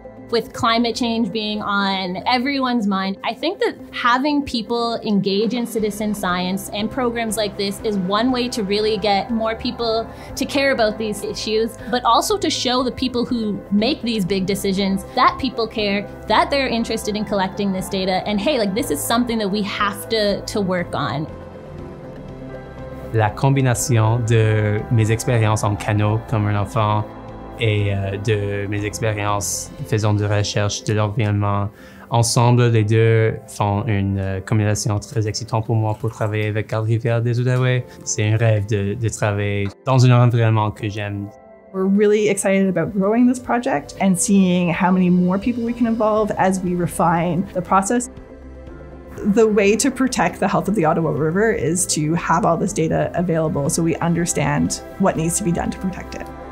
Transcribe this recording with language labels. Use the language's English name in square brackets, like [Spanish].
[English] with climate change being on everyone's mind, I think that having people engage in citizen science and programs like this is one way to really get more people to care about these issues, but also to show the people who make these big decisions that people care, that they're interested in collecting this data, and hey, like, this is something that we have to work on. [French] La combination de mes expériences en canot comme un enfant et de mes expériences faisant de recherche de l'environnement, ensemble, les deux font une combination très excitante pour moi pour travailler avec Garde-rivière des Outaouais. C'est un rêve de travailler dans un environnement que j'aime. [English] We're really excited about growing this project and seeing how many more people we can involve as we refine the process. The way to protect the health of the Ottawa River is to have all this data available so we understand what needs to be done to protect it.